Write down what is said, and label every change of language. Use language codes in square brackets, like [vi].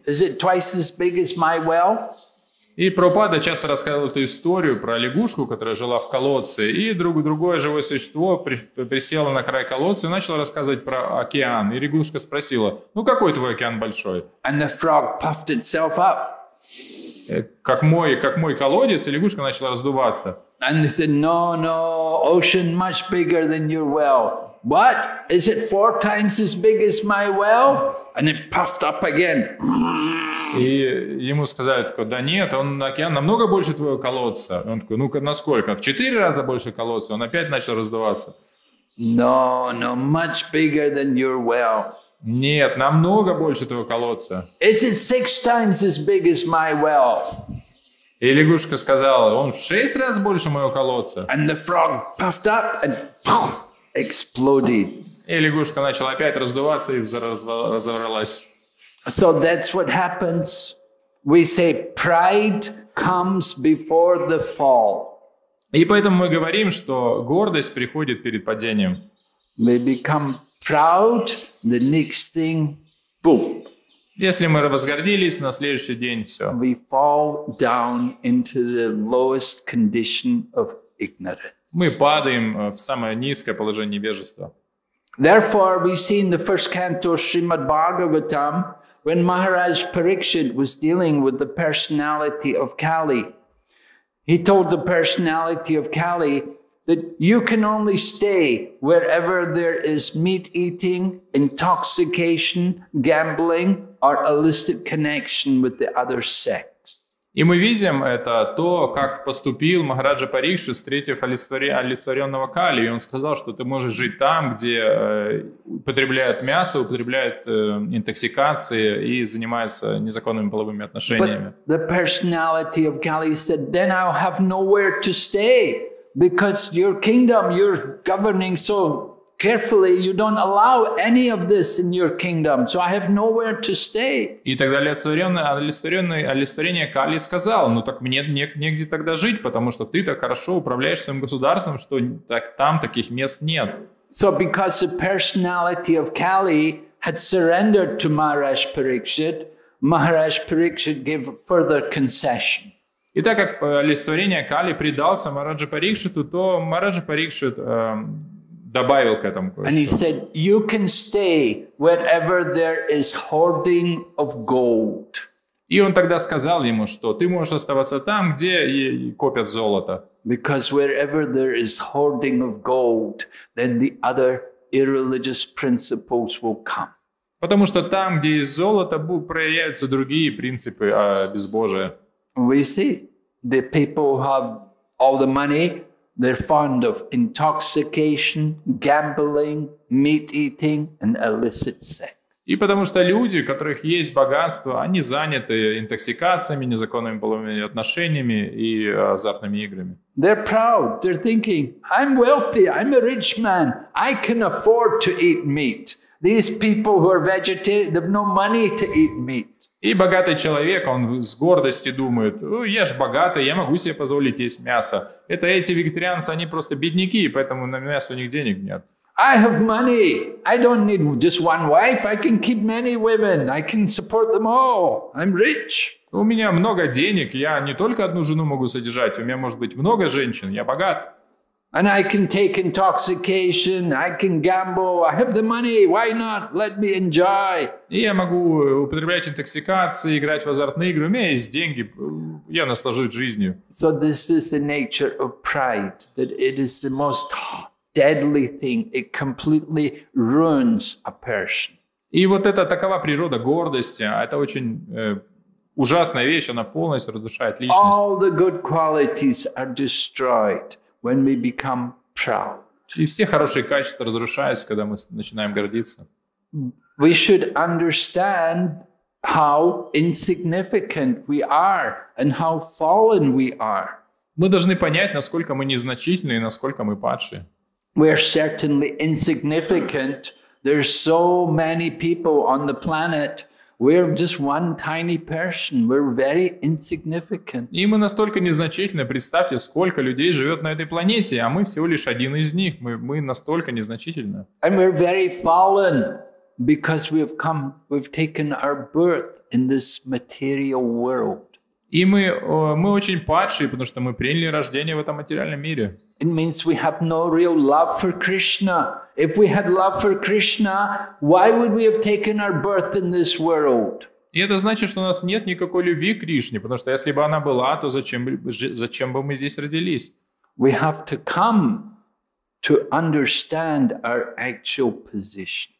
[en] Is it twice as big as my well?" [ru] И Прабхупада часто рассказывал эту историю про лягушку, которая жила в колодце, и другое живое существо присело на край колодца и начало рассказывать про океан. И лягушка спросила: "Ну какой твой океан большой?" [en] And the frog puffed itself up. [ru] Как мой колодец, и лягушка начала раздуваться. [en] And he said, "No, ocean much bigger than your well. What? Is it four times as big as my well?" And it puffed up again. [ru] И ему сказали такое: "Да нет, он океан намного больше твоего колодца." Он такой: "Ну-ка, насколько?" "В 4 раза больше колодца." Он опять начал раздуваться. [en] No, much bigger than your well. [ru] Нет, намного больше твоего колодца. [en] Is it 6 times as big as my well? [ru] И лягушка сказала: "Он в 6 раз больше моего колодца." [en] And the frog puffed up and poof, exploded. [ru] И лягушка начала опять раздуваться и разорвалась. [en] So that's what happens. We say pride comes before the fall. [ru] И поэтому мы говорим, что гордость приходит перед падением. [en] We become proud, the next thing, boom. [ru] Если мы возгордились, на следующий день все. [en] We fall down into the lowest condition of ignorance. [ru] Мы падаем в самое низкое положение невежества. [en] Therefore, we see in the first canto of Srimad Bhagavatam, when Maharaj Parikshit was dealing with the personality of Kali, he told the personality of Kali that you can only stay wherever there is meat eating, intoxication, gambling, or illicit connection with the other sex. [ru] И мы видим это то, как поступил Махараджа Парикши, встретив олицетворенного Кали. И он сказал, что ты можешь жить там, где употребляют мясо, употребляют интоксикации и занимаются незаконными половыми отношениями. [en] But the personality of Kali said, then I'll have nowhere to stay, because your kingdom, you're governing so carefully, you don't allow any of this in your kingdom, so I have nowhere to stay. [ru] И тогда олицетворение Кали сказал: "Ну так мне негде тогда жить, потому что ты так хорошо управляешь своим государством, что так там таких мест нет." [en] So because the personality of Kali had surrendered to Maharaj Parikshit, Maharaj Parikshit gave further concession. [ru] И так как олицетворение Кали предался Махараджа Парикшиту, то Махараджа Парикшит добавил к этому кое-что. [en] And he said, you can stay wherever there is hoarding of gold. [ru] И он тогда сказал ему, что ты можешь оставаться там, где и копят золото. [en] Because wherever there is hoarding of gold, then the other irreligious principles will come. [ru] Потому что там, где есть золото, проявляются другие принципы безбожия. [en] We see the people who have all the money, they're fond of intoxication, gambling, meat eating, and illicit sex. [ru] И потому что люди, у которых есть богатство, они заняты интоксикациями, незаконными половыми отношениями и азартными играми. [en] They're proud. They're thinking, I'm wealthy. I'm a rich man. I can afford to eat meat. These people who are vegetarian, they have no money to eat meat. [ru] И богатый человек, он с гордостью думает: "Я ж богатый, я могу себе позволить есть мясо." Это эти вегетарианцы, они просто бедняки, поэтому на мясо у них денег нет. [en] I have money. I don't need just one wife. I can keep many women. I can support them all. I'm rich. [ru] У меня много денег. Я не только одну жену могу содержать. У меня может быть много женщин. Я богат. [en] And I can take intoxication, I can gamble, I have the money, why not? Let me enjoy. [ru] И я могу употреблять интоксикации, играть в азартные игры, у меня есть деньги, я наслаждаюсь жизнью. [en] So this is the nature of pride, that it is the most deadly thing, it completely ruins a person. [ru] И вот это такова природа гордости, это очень ужасная вещь, она полностью разрушает личность. [en] All the good qualities are destroyed when we become proud. [ru] И все хорошие качества разрушаются, когда мы начинаем гордиться. [en] We should understand how insignificant we are and how fallen we are. [ru] Мы должны понять, насколько мы незначительны и насколько мы падшие. [en] we're certainly insignificant. There's so many people on the planet. We're just one tiny person. We're very insignificant. [ru] И мы настолько незначительны. Представьте, сколько людей живет на этой планете, а мы всего лишь один из них. Мы настолько незначительны. [en] And we're very fallen because we've taken our birth in this material world. [ru] И мы очень падшие, потому что мы приняли рождение в этом материальном мире. [en] It means we have no real love for Krishna. If we had love for Krishna, why would we have taken our birth in this world? [ru] И это значит, что у нас нет никакой любви к Кришне, потому что если бы она была, то зачем бы мы здесь родились? [en] We have to come to understand our actual position.